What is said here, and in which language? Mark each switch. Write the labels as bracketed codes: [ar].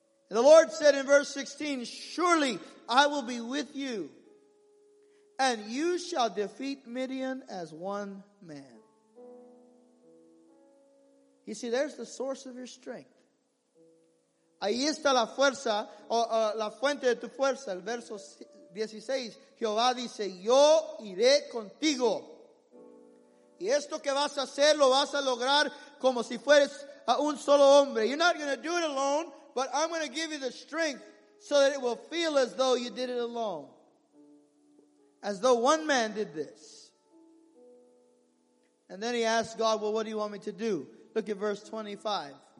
[en] And the Lord said in verse 16, surely I will be with you, and you shall defeat Midian as one man. You see, there's the source of your strength. [es] Ahí está la fuerza, o la fuente de tu fuerza. El verso 16, Jehová dice, yo iré contigo. Y esto que vas a hacer, lo vas a lograr como si fueres a un solo hombre. [en] You're not going to do it alone, but I'm going to give you the strength so that it will feel as though you did it alone. As though one man did this. And then he asked God, well, what do you want me to do? Look at verse 25.